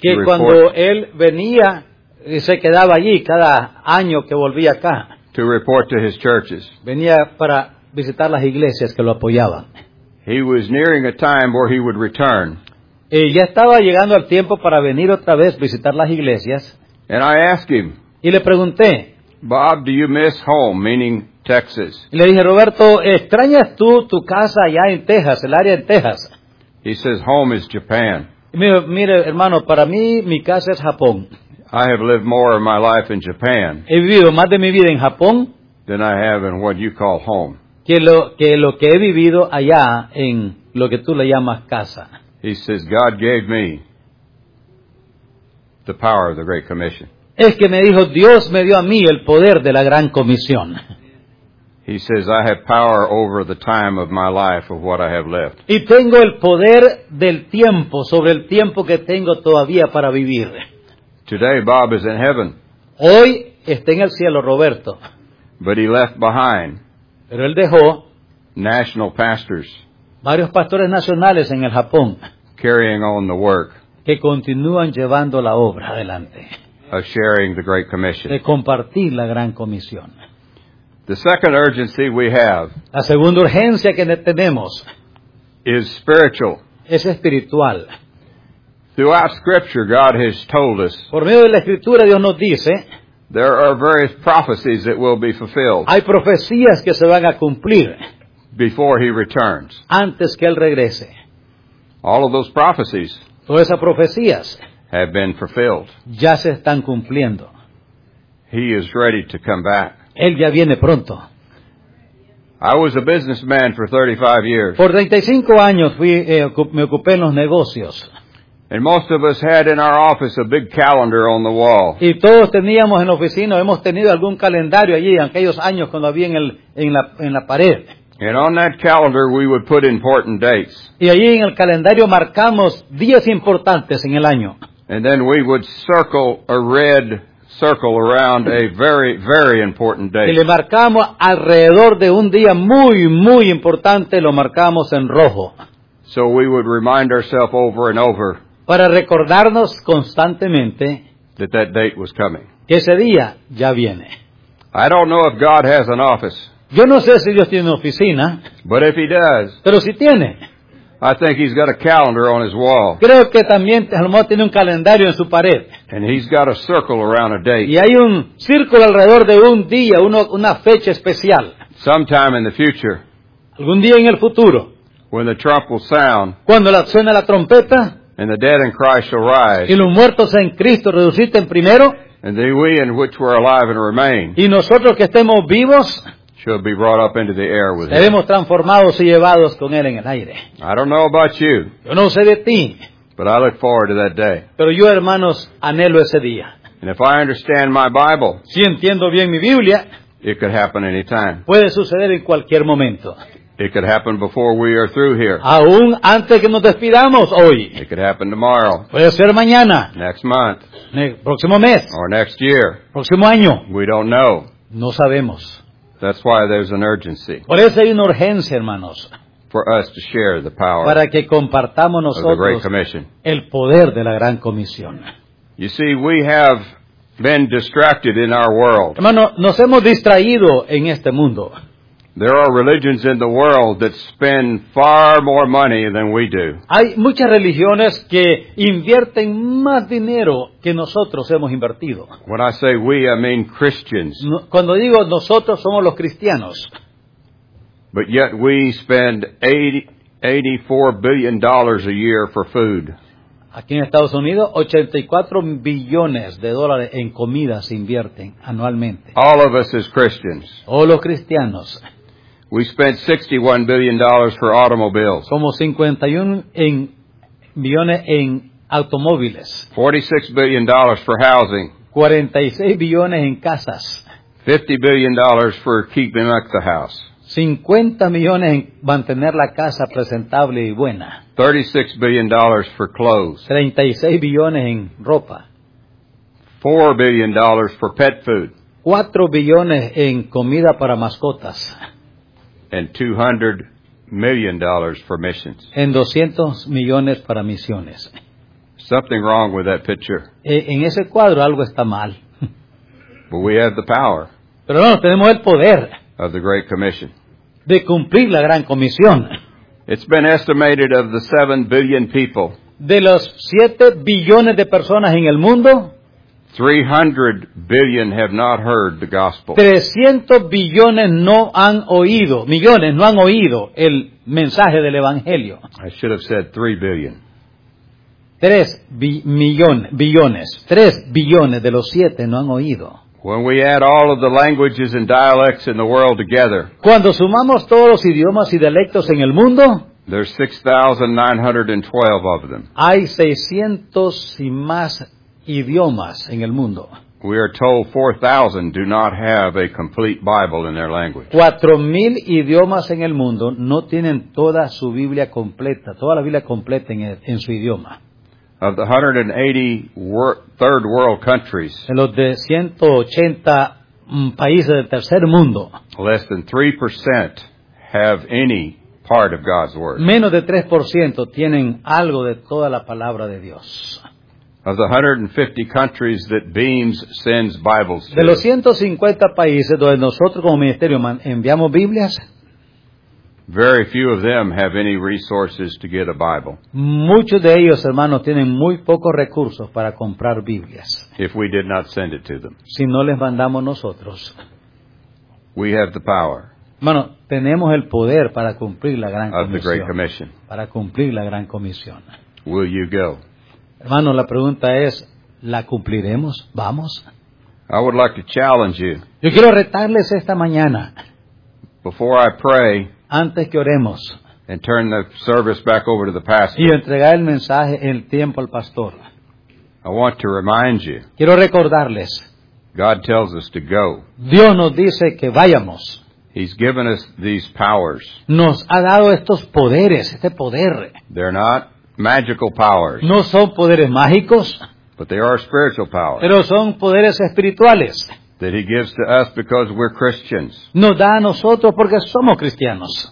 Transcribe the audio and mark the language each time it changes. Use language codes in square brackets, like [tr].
[es] que [en] to report. [es] Cuando él venía, se quedaba allí cada año que volvía acá. [en] To report to his churches. [es] Venía para visitar las iglesias que lo apoyaban. [en] He was nearing a time where he would return. [es] Y ya estaba llegando al tiempo para venir otra vez visitar las iglesias. [en] And I asked him, [es] Y le pregunté, [en] Bob, do you miss home, meaning Texas? [es] Y le dije, Roberto, ¿extrañas tú tu casa allá en Texas, el área de Texas? [en] He says, home is Japan. [es] Y me dijo, mire, hermano, para mí, mi casa es Japón. [en] I have lived more of my life in Japan. [es] He vivido más de mi vida en Japón. [en] Than I have in what you call home. [es] Que lo que he vivido allá en lo que tú le llamas casa. [en] He says, God gave me the power of the Great Commission. [es] Es que me dijo, Dios me dio a mí el poder de la Gran Comisión. [en] He says, I have power over the time of my life of what I have left. [es] Y tengo el poder del tiempo, sobre el tiempo que tengo todavía para vivir. [en] Today, Bob is in heaven. [es] Hoy está en el cielo, Roberto. [en] But he left behind. [es] Pero él dejó [en] national pastors. [es] Varios pastores nacionales en el Japón. [en] Carrying on the work. [es] Que continúan llevando la obra adelante. [en] Of sharing the Great Commission. [es] De compartir la Gran Comisión. [en] The second urgency we have. [es] La segunda urgencia que tenemos. [en] Is spiritual. [es] Es espiritual. [en] Throughout Scripture, God has told us. [es] Por medio de la Escritura, Dios nos dice. [en] There are various prophecies that will be fulfilled. [es] Hay profecías que se van a cumplir. [en] Before he returns. [es] Antes que él regrese. [en] All of those prophecies. [es] Todas esas profecías. [en] Have been fulfilled. [es] Ya se están cumpliendo. [en] He is ready to come back. [es] Él ya viene pronto. [en] I was a businessman for 35 years. [es] Por 35 años me ocupé en los negocios. [en] And most of us had in our office a big calendar on the wall. [es] Y todos teníamos en la oficina, hemos tenido algún calendario allí en aquellos años cuando había en la pared. [en] And on that calendar we would put important dates. [es] Y allí en el calendario marcamos días importantes en el año. [en] And then we would circle a red circle around a very, very important date. [es] Y le marcamos alrededor de un día muy, muy importante, lo marcamos en rojo. [en] So we would remind ourselves over and over. [es] Para recordarnos constantemente. [en] That date was coming. [es] Que ese día ya viene. [en] I don't know if God has an office. [es] Yo no sé si Dios tiene una oficina. [en] But if he does. [es] Pero si tiene. [en] I think he's got a calendar on his wall. [es] Creo que también a lo mejor tiene un calendario en su pared. [en] And he's got a circle around a date. [es] Y hay un círculo alrededor de un día, una fecha especial. [en] Sometime in the future. [es] Algún día en el futuro. [en] When the trump will sound. [es] Cuando suena la trompeta. [en] And the dead in Christ shall rise. [es] Y los muertos en Cristo resuciten primero. [en] And then we in which were alive and remain. [es] Y nosotros que estemos vivos. [en] Should be brought up into the air with him. [es] Seremos transformados y llevados con él en el aire. [en] I don't know about you. [es] Yo no sé de ti. [en] But I look forward to that day. [es] Pero yo, hermanos, anhelo ese día. [en] And if I understand my Bible. [es] Si entiendo bien mi Biblia. [en] It could happen anytime. [es] Puede suceder en cualquier momento. [en] It could happen before we are through here. [es] Aún antes que nos despidamos hoy. [en] It could happen tomorrow. [es] Puede ser mañana. [en] Next month. [es] Próximo mes. [en] Or next year. [es] Próximo año. [en] We don't know. [es] No sabemos. [en] That's why there's an urgency. [es] Por eso hay una urgencia, hermanos. [en] For us to share the power. [es] Para que compartamos nosotros. [en] Of the Great Commission. [es] El poder de la Gran Comisión. [en] You see, we have been distracted in our world. [es] Hermano, nos hemos distraído en este mundo. [en] There are religions in the world that spend far more money than we do. [es] Hay muchas religiones que invierten más dinero que nosotros hemos invertido. [en] When I say we, I mean Christians. [es] Cuando digo nosotros, somos los cristianos. [en] But yet we spend $84 billion a year for food. [es] Aquí en Estados Unidos, 84 billones de dólares en comida se invierten anualmente. [en] All of us as Christians. [es] Todos los cristianos. [en] We spent $61 billion for automobiles. [es] Somos 51 billones en automóviles. [en] $46 billion for housing. [es] 46 billones en casas. [en] $50 billion for keeping up the house. [es] 50 millones en mantener la casa presentable y buena. [en] $36 billion for clothes. [es] 36 billones en ropa. [en] $4 billion for pet food. [es] 4 billones en comida para mascotas. [en] And $200 million for missions. [es] En 200 millones para misiones. [en] Something wrong with that picture. [es] En ese cuadro algo está mal. [en] But we have the power. [es] Pero no, tenemos el poder. [en] Of the Great Commission. [es] De cumplir la Gran Comisión. [en] It's been estimated of the 7 billion people. [es] De los 7 billones de personas en el mundo. [en] 300 billion have not heard the gospel. [es] 300 billones no han oído, millones no han oído el mensaje del evangelio. [en] I should have said 3 billion. [es] 3 billones. 3 billones de los 7 no han oído. [en] When we add all of the languages and dialects in the world together. [es] Cuando sumamos todos los idiomas y dialectos en el mundo, [en] there's 6,912 of them. [es] Hay 600 y más idiomas en el mundo. [en] We are told 4,000 do not have a complete Bible in their language. [es] 4,000 idiomas en el mundo no tienen toda su Biblia completa, toda la Biblia completa en su idioma. [en] Of the 180 third world countries, [es] en los de 180 países del tercer mundo, [en] less than 3% have any part of God's word. [es] Menos de 3% tienen algo de toda la palabra de Dios. [en] Of the 150 countries that Beams sends Bibles to, [es] de los 150 países donde nosotros como ministerio enviamos Biblias, [en] very few of them have any resources to get a Bible. [es] Muchos de ellos, hermanos, tienen muy pocos recursos para comprar Biblias. [en] If we did not send it to them, [es] si no les mandamos nosotros, [en] we have the power. [es] Hermano, tenemos el poder para cumplir la gran comisión. [en] Of the Great Commission. [es] Para cumplir la gran comisión. [en] Will you go? [es] Hermano, la pregunta es, ¿la cumpliremos? ¿Vamos? [en] I would like to challenge you. [es] Yo quiero retarles esta mañana. [en] Before I pray, [es] antes que oremos, [en] and turn the service back over to the pastor, [es] y entregar el mensaje en el tiempo al pastor, [en] I want to remind you. [es] Quiero recordarles. [en] God tells us to go. [es] Dios nos dice que vayamos. [en] He's given us these powers. [es] Nos ha dado estos poderes, este poder. [en] They're not magical powers. [es] No son poderes mágicos. [en] But they are spiritual powers. [es] Pero son poderes espirituales. [en] That he gives to us because we're Christians. [es] Nos da a nosotros porque somos cristianos.